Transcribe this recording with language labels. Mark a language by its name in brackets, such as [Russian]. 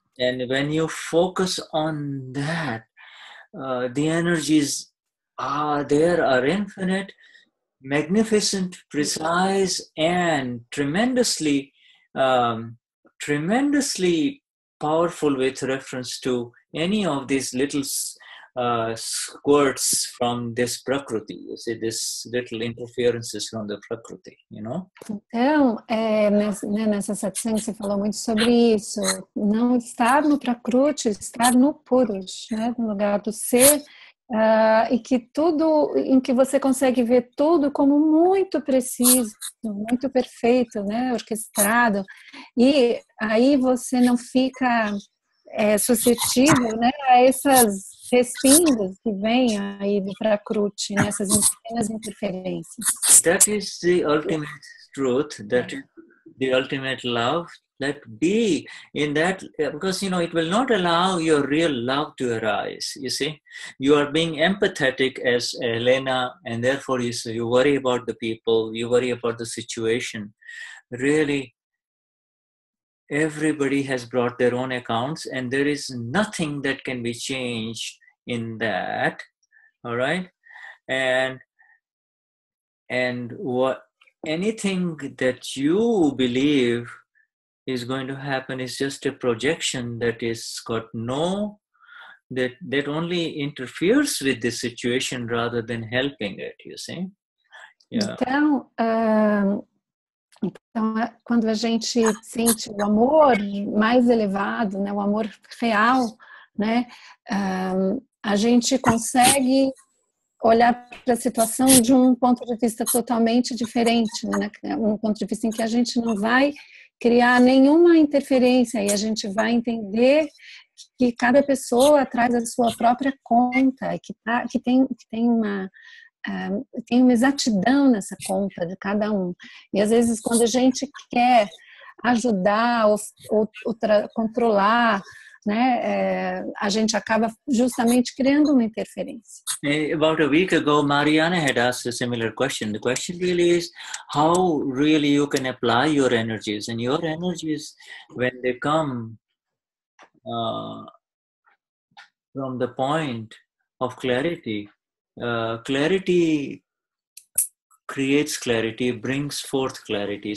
[English] And when you focus on that, the energies are infinite, magnificent, precise, and tremendously powerful with reference to any of these little squirts from this prakriti, you see, this little interferences from the prakriti, you know? [Portuguese] Então, nessa satsang você falou muito sobre isso, não estar no prakriti, estar no purush, né? No lugar do ser, e que tudo, em que você consegue ver tudo como muito preciso, muito perfeito, né? Orquestrado, e aí você não fica suscetível, né? A essas respingos que vêm aí do prakruti, nessas pequenas interferências. [English] That is the ultimate truth, that the ultimate love, let be in that, because, you know, it will not allow your real love to arise, you see. You are being empathetic as Elena, and therefore you worry about the people, you worry about the situation. Really, everybody has brought their own accounts, and there is nothing that can be changed in that, all right, and And what anything that you believe is going to happen is just a projection that is got no, that only interferes with the situation rather than helping it, you see? [Portuguese] Então, quando a gente sente o amor mais elevado, né, o amor real, né, a gente consegue olhar para a situação de um ponto de vista totalmente diferente, né, um ponto de vista em que a gente não vai criar nenhuma interferência e a gente vai entender que cada pessoa traz a sua própria conta, que tem uma exatidão nessa conta de cada um. E às vezes quando a gente quer ajudar ou controlar, né, a gente acaba justamente criando uma interferência. [English] About a week ago, Mariana had asked a similar question. The question really is how really you can apply your energies. And your energies, when they come from the point of clarity, clarity creates clarity, brings forth clarity.